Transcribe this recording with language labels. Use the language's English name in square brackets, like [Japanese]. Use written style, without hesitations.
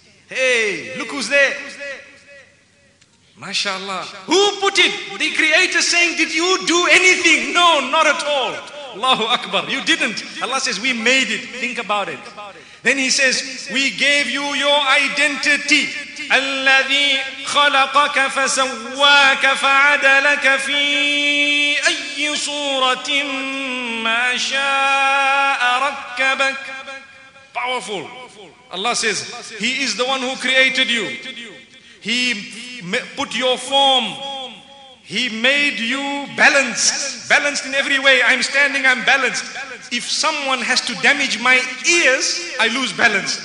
[English] Hey, look who's there. Mashallah. Who put it? The creator saying, did you do anything? No, not at all. Allahu Akbar. You didn't. Allah says, we made it. Think about it. Then he says, we gave you your identity. [Arabic] الذي خلقك فسواك فعدلك في أي صورة ما شاء ركبك. [English] Powerful. Allah says, he is the one who created you. He put your form. He made you balanced. Balanced in every way. I'm standing, I'm balanced. If someone has to damage my ears, I lose balance.